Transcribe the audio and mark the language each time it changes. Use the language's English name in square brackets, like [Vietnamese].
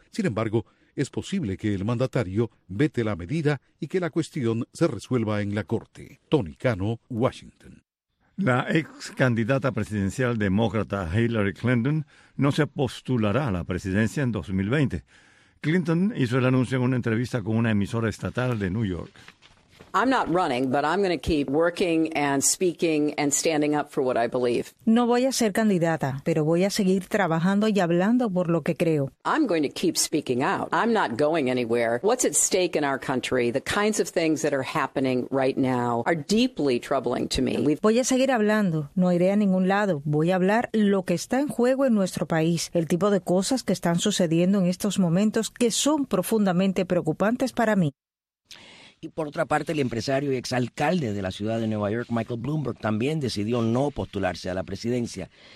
[Spanish] Sin embargo, es posible que el mandatario vete la medida y que la cuestión se resuelva en la Corte. Tony Cano, Washington. La ex candidata presidencial demócrata Hillary Clinton no se postulará a la presidencia en 2020. Clinton hizo el anuncio en una entrevista con una emisora estatal de New York. [English] I'm not running, but I'm going to keep working and speaking and standing up for what I believe. [Spanish] No voy a ser candidata, pero voy a seguir trabajando y hablando por lo que creo. [English] I'm going to keep speaking out. I'm not going anywhere. What's at stake in our country, the kinds of things that are happening right now, are deeply troubling to me. [Spanish] Voy a seguir hablando. No iré a ningún lado. Voy a hablar lo que está en juego en nuestro país, el tipo de cosas que están sucediendo en estos momentos que son profundamente preocupantes para mí. Y por otra parte, el empresario y exalcalde de la ciudad de Nueva York, Michael Bloomberg, también decidió no postularse a la presidencia.